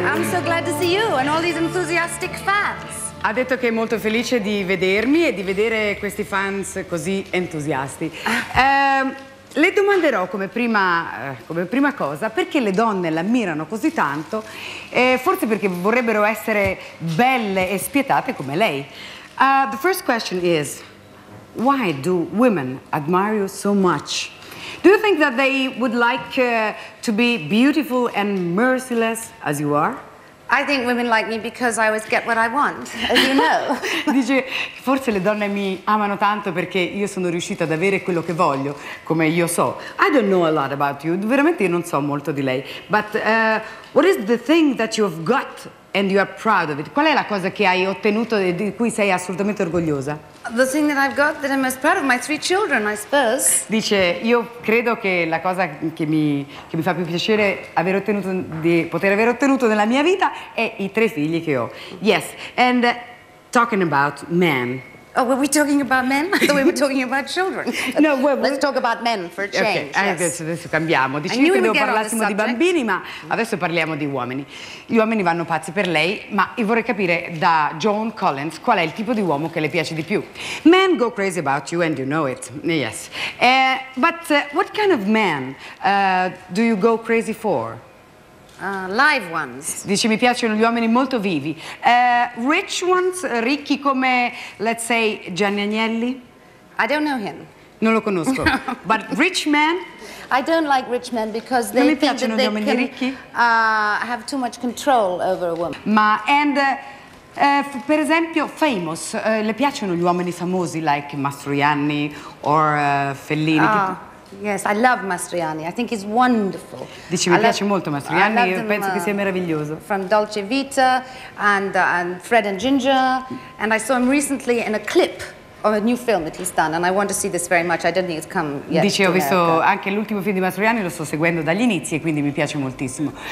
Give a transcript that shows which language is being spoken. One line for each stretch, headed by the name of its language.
English: I'm so glad to see you and all these enthusiastic fans.
Italian: Ha detto che è molto felice di vedermi e di vedere questi fans così entusiasti. Le domanderò come prima cosa perché le donne l'ammirano così tanto, forse perché vorrebbero essere belle e spietate come lei.
English: The first question is, why do women admire you so much? Do you think that they would like to be beautiful and merciless as you are? I think women like me because I always get what I want, as you know.
Italian: Dice, forse le donne mi amano tanto perché io sono riuscita ad avere quello che voglio, come io so.
English: I don't know a lot about you.
Italian: Veramente io non so molto di lei.
English: But what is the thing that you've got and you are proud of it?
Italian: Qual è la cosa che hai ottenuto e di cui sei assolutamente orgogliosa?
English: The thing that I've got that I'm most proud of, my three children, I suppose.
Italian: Dice, io credo che la cosa che mi fa più piacere aver ottenuto, di poter aver ottenuto nella mia vita, è i tre figli che ho.
English: Yes, and talking about men. Oh, were we talking about men? I thought we were talking about children. No, let's talk about men for a change. Okay, yes.
Italian: Adesso cambiamo. Dice, io credevo parlassimo di bambini, ma adesso parliamo di uomini. Gli uomini vanno pazzi per lei, ma io vorrei capire da Joan Collins qual è il tipo di uomo che le piace di più.
English: Men go crazy about you and you know it. Yes. But what kind of men do you go crazy for? Live ones.
Italian: Dice, mi piacciono gli uomini molto vivi.
English: Rich ones,
Italian: ricchi come,
English: let's say, Gianni Agnelli? I don't know him.
Italian: Non lo conosco.
English: No. But rich men? I don't like rich men because they
Italian: non mi piacciono
English: think
Italian: gli uomini
English: can,
Italian: ricchi?
English: Have too much control over a woman.
Italian: Ma,
English: and,
Italian: per esempio,
English: famous,
Italian: le piacciono gli uomini famosi like Mastroianni or Fellini?
English: Yes, I love Mastroianni. I think he's wonderful.
Italian: Dici, mi piace molto Mastroianni, io penso che sia meraviglioso.
English: From Dolce Vita and Fred and Ginger. And I saw him recently in a clip of a new film that he's done. And I want to see this very much. I don't think it's come yet.
Italian: Dice, ho visto anche l'ultimo film di Mastroianni, lo sto seguendo dagli inizi e quindi mi piace moltissimo.